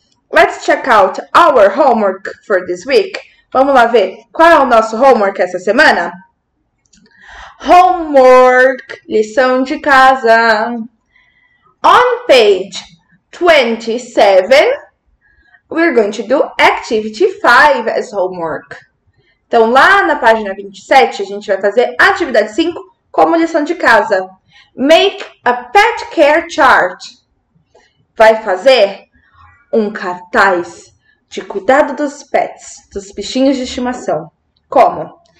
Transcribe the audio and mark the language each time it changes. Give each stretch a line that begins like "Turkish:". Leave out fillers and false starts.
English: Let's check out our homework for this week.
Portuguese: Vamos lá ver qual é o nosso homework essa semana? Homework, lição de casa.
English: On page 27, we're going to do activity 5 as homework.
Portuguese: Então, lá na página 27, a gente vai fazer atividade 5 como lição de casa.
English: Make a pet care chart.
Portuguese: Vai fazer um cartaz de cuidado dos pets, dos bichinhos de estimação. Como?